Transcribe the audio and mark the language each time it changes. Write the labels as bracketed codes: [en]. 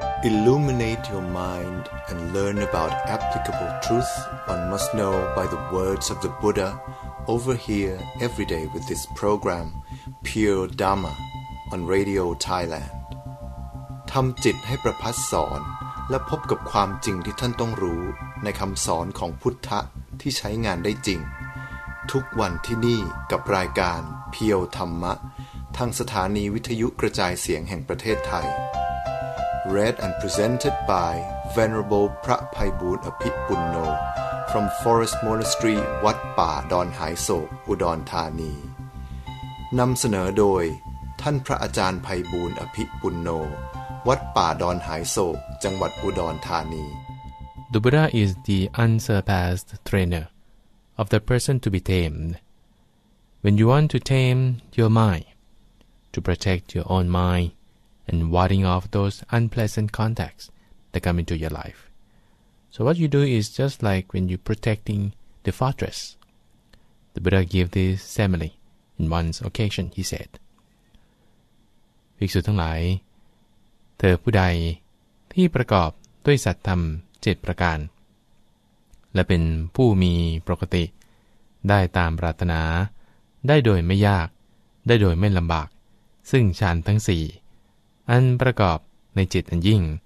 [en] Illuminate your mind and learn about applicable truth one must know by the words of the Buddha over here every day with this program, Pure Dharma, on Radio Thailand. [th] ทำจิตให้ประพัสสอนและพบกับความจริงที่ท่านต้องรู้ในคำสอนของพุทธะที่ใช้งานได้จริงทุกวันที่นี่กับรายการเพียวธรรมะทางสถานีวิทยุกระจายเสียงแห่งประเทศไทย [en] Read and presented by Venerable [th] พระไพบูลย์อภิปุณโญ [en] from Forest Monastery [th] วัดป่าดอนหายโศกอุดรธานีนำเสนอโดยท่านพระอาจารย์ไพบูลย์อภิปุณโญวัดป่าดอนหายโศกจังหวัดอุดรธานี [en] The Buddha is the unsurpassed trainer of the person to be tamed. When you want to tame your mind, to protect your own mind and warding off those unpleasant contacts that come into your life. So what you do is just like when you're protecting the fortress. The Buddha gave this simile in one occasion, he said. [th] ภิกษุทั้งหลายเธอผู้ใดที่ประกอบด้วยสัตยธรรม7ประการและเป็นผู้มีปกติได้ตามปรารถนาได้โดยไม่ยากได้โดยไม่ลำบากซึ่งฌานทั้ง4อันประกอบในจิตอันยิ่ง